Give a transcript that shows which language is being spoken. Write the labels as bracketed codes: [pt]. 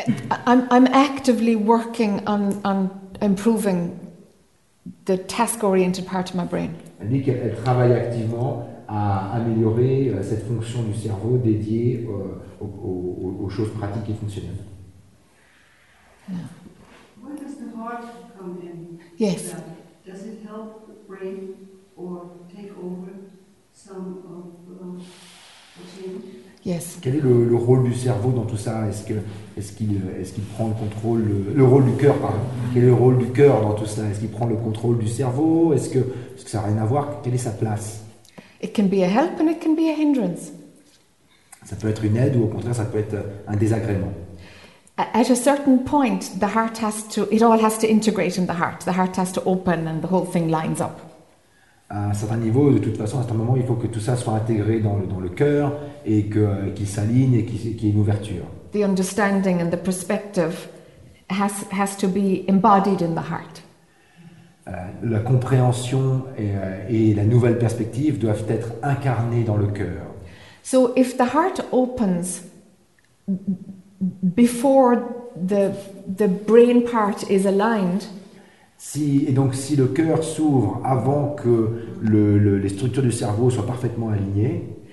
[en] I'm actively working on improving the task-oriented part of my brain. [fr] Elle dit qu'elle travaille activement à améliorer cette fonction du cerveau dédiée aux choses pratiques et fonctionnelles. [en] Yeah. Where does the heart come in? Yes. Does it help the brain or take over some of the gene? Yes. [fr] Quel est le rôle du cerveau dans tout ça? Est-ce qu'il prend le contrôle, le rôle du cœur, pardon. Quel est le rôle du cœur dans tout cela? Est-ce qu'il prend le contrôle du cerveau? Est-ce que ça n'a rien à voir? Quelle est sa place? [en] It can be a help and it can be a hindrance. [fr] Ça peut être une aide ou au contraire ça peut être un désagrément. [en] At a certain point, the heart has to, it all has to integrate in the heart. The heart has to open and the whole thing lines up. [fr] À un certain niveau, de toute façon, à un certain moment, il faut que tout ça soit intégré dans le cœur et qu'il s'aligne et qu'il y ait une ouverture. [en] The understanding and the perspective has to be embodied in the heart. [fr] La compréhension et la nouvelle perspective doivent être incarnées dans le cœur. [en] So if the heart opens before the brain part is aligned. [fr] Si le cœur s'ouvre avant que les structures du cerveau soient parfaitement alignées.